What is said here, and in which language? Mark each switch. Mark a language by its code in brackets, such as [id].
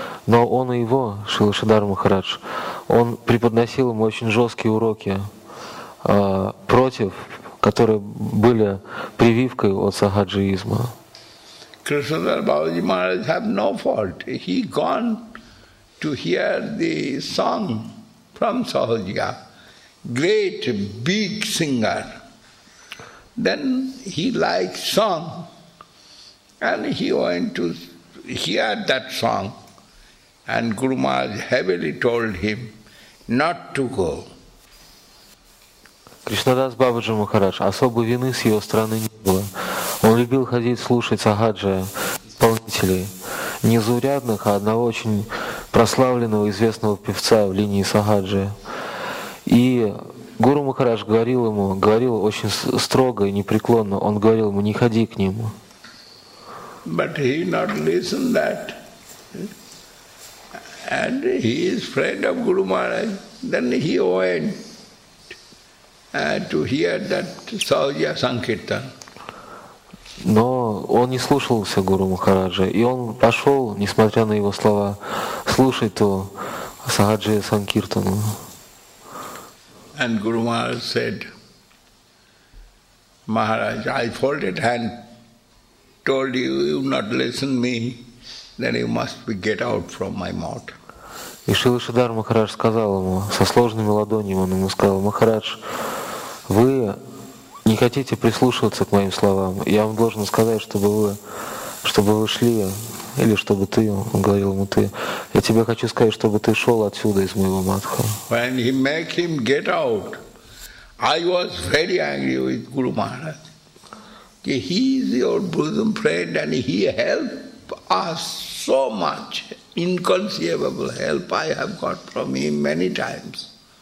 [ru] Но он и его, Srila Shridhar Maharaj, он преподносил ему очень жесткие уроки против, которые были прививкой от сахаджиизма. [en] Krishnadas Babaji Maharaj have no fault. He gone to hear the song from Sahaja. great big singer. Then he liked song, and he went to hear that song, and Guru Maharaj heavily told him not to go. [ru] Кришнадас Бабаджи Махарадж, особой вины с его стороны не было. Он любил ходить слушать сагаджа, исполнителей, не заурядных, а одного очень прославленного, известного певца в линии сагаджи. И Гуру Махарадж говорил ему, говорил очень строго и непреклонно, он говорил ему, не ходи к нему. [en] But he not listen that. And he is friend of Guru Maharaj. Then he went. To hear that Sahaja Sankirtan. [ru] Но он не слушался Гуру Махараджа, и он пошел, несмотря на его слова, слушать то Сахаджи Санкиртану. [en] And Guru Maharaj said, Maharaj, I folded hand, told you, you not listen me, then you must be get out from my mouth. [ru] И Шрила Шридхара Махарадж сказал ему, со сложными ладонями он ему сказал, Махарадж, вы не хотите прислушиваться к моим словам. Я вам должен сказать, чтобы вы шли, или чтобы ты, он говорил ему, ты. Я тебе хочу сказать, чтобы ты шел отсюда из моего матха. [en] When he make him get out, I was very angry with Guru Maharaj. He is your bosom friend and he help us so much. Inconceivable help I have got from him many times.